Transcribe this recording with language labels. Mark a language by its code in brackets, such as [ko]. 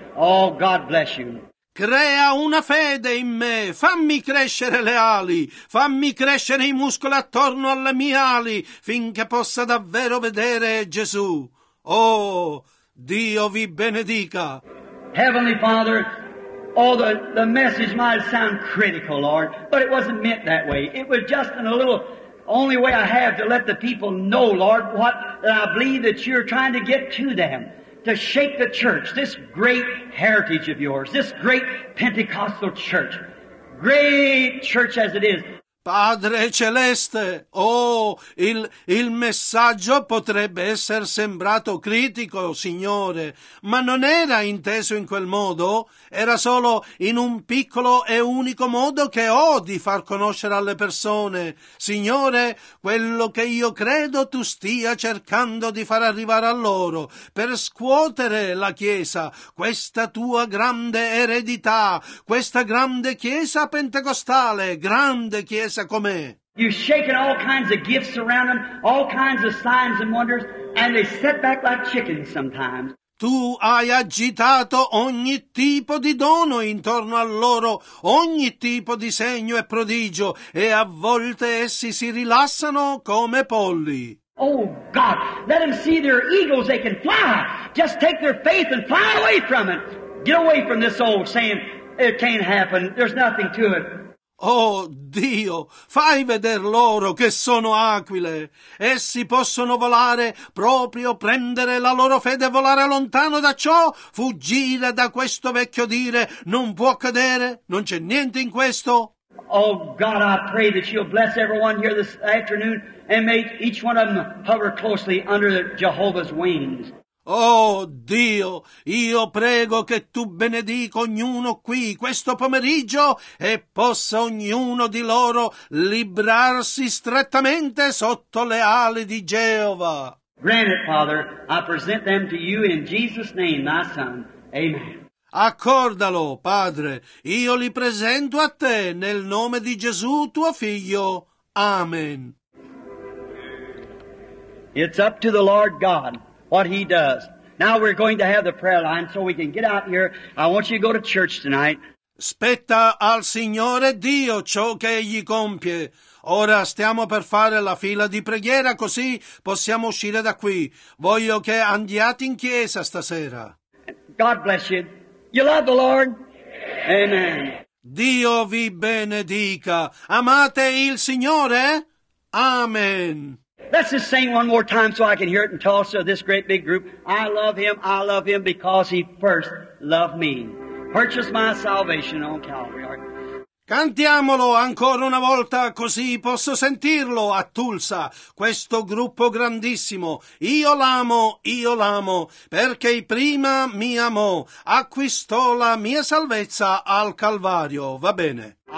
[en] Oh, God bless you. [it] Crea una fede in me, fammi crescere le ali, fammi crescere i muscoli attorno alle mie ali, finché possa davvero vedere Gesù. Oh, Dio vi benedica. [en] Heavenly Father, the message might sound critical, Lord, but it wasn't meant that way. It was just in a little, only way I have to let the people know, Lord, what that I believe that you're trying to get to them. To shake the church, this great heritage of yours, this great Pentecostal church, great church as it is. [it] Padre Celeste, il messaggio potrebbe essere sembrato critico, Signore, ma non era inteso in quel modo, era solo in un piccolo e unico modo che ho di far conoscere alle persone. Signore, quello che io credo tu stia cercando di far arrivare a loro, per scuotere la Chiesa, questa tua grande eredità, questa grande Chiesa pentecostale, grande Chiesa. Com'è. [en] You're shaking all kinds of gifts around them, all kinds of signs and wonders, and they set back like chickens sometimes. [it] Tu hai agitato ogni tipo di dono intorno a loro, ogni tipo di segno e prodigio, e a volte essi si rilassano come polli. [en] Oh God, let them see their eagles, they can fly. Just take their faith and fly away from it. Get away from this old saying, it can't happen, there's nothing to it. [it] Oh Dio, fai veder loro che sono aquile. Essi possono volare, proprio prendere la loro fede e volare lontano da ciò, fuggire da questo vecchio dire, non può cadere, non c'è niente in questo. [en] Oh God, I pray that you'll bless everyone here this afternoon and make each one of them hover closely under Jehovah's wings. [it] Oh Dio, io prego che tu benedica ognuno qui questo pomeriggio e possa ognuno di loro librarsi strettamente sotto le ali di Geova. [en] Grant it, Father, I present them to you in Jesus' name, my son. Amen. [it] Accordalo, Padre, io li presento a te nel nome di Gesù, tuo figlio. Amen. [en] It's up to the Lord God. What he does. Now we're going to have the prayer line so we can get out here. I want you to go to church tonight. [it] Spetta al Signore Dio ciò che egli compie. Ora stiamo per fare la fila di preghiera così possiamo uscire da qui. Voglio che andiate in chiesa stasera. [en] God bless you. You love the Lord? Amen. [it] Dio vi benedica. Amate il Signore? Amen. [en] Let's just sing one more time so I can hear it in Tulsa, this great big group. I love him because he first loved me. Purchased my salvation on Calvary. [it] Cantiamolo ancora una volta così posso sentirlo a Tulsa, questo gruppo grandissimo. Io l'amo, perché prima mi amò, acquistò la mia salvezza al Calvario, va bene?